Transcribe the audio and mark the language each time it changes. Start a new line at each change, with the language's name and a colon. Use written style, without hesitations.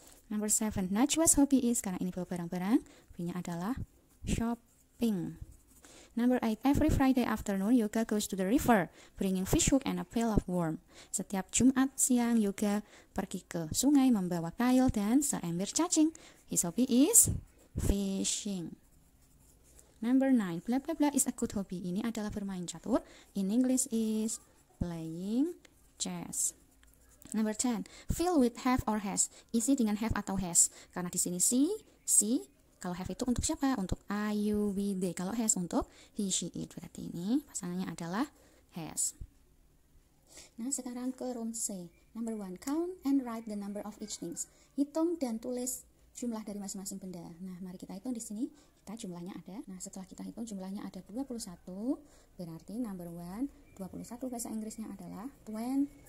English: Number 7, Najwa's hobby is,
Indonesian: karena ini bawa barang-barang, hobinya adalah shopping.
English: Number 8, every Friday afternoon, Yoga goes to the river, bringing fish hook and a pail of worm.
Indonesian: Setiap Jumat siang, Yoga pergi ke sungai membawa kail dan seember cacing.
English: His hobby is fishing. Number 9, blah blah blah is a good hobby.
Indonesian: Ini adalah bermain catur.
English: In English is playing chess. Number 10, fill with have or has.
Indonesian: Isi dengan have atau has. Karena di sini si, kalau have itu untuk siapa? Untuk I, you, we, they. Kalau has untuk he, she, it. Berarti ini pasangannya adalah has. Nah, sekarang ke room C.
English: Number 1, count and write the number of each things.
Indonesian: Hitung dan tulis jumlah dari masing-masing benda. Nah, mari kita hitung di sini. Kita jumlahnya ada. Nah, setelah kita hitung jumlahnya ada 21. Berarti number 1, 21 bahasa Inggrisnya adalah 21.